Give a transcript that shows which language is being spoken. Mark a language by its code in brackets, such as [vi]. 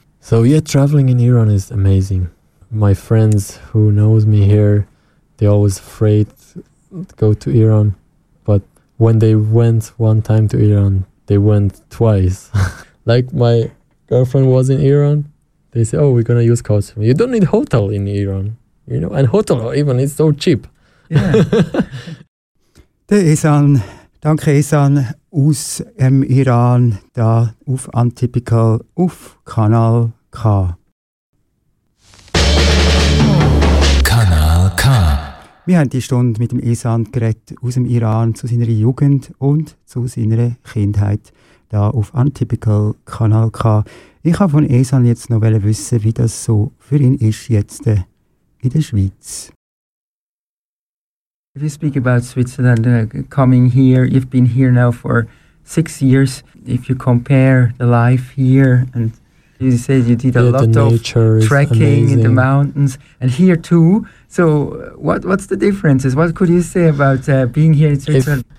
[en] So yeah, traveling in Iran is amazing. My friends who knows me here, they always afraid to go to Iran. But when they went one time to Iran, they went twice. Like my girlfriend was in Iran, they say, oh, we're going to use couchsurfing. You don't need hotel in Iran, you know, and hotel even is so cheap. Yeah. [de] Danke, Esan, aus dem Iran, da auf Untypical, auf Kanal K. Kanal K. Wir haben diese Stunde mit dem Esan geredet, aus dem Iran zu seiner Jugend und zu seiner Kindheit. Hier auf Untypical Kanal K. Ich wollte von Esan jetzt noch wissen, wie das so für ihn ist jetzt in der Schweiz. [en] If you speak about Switzerland, coming here, you've been here now for 6 years. If you compare the life here, and you said you did a lot of trekking in the mountains, and here too. So what's the differences? What could you say about being here in Switzerland?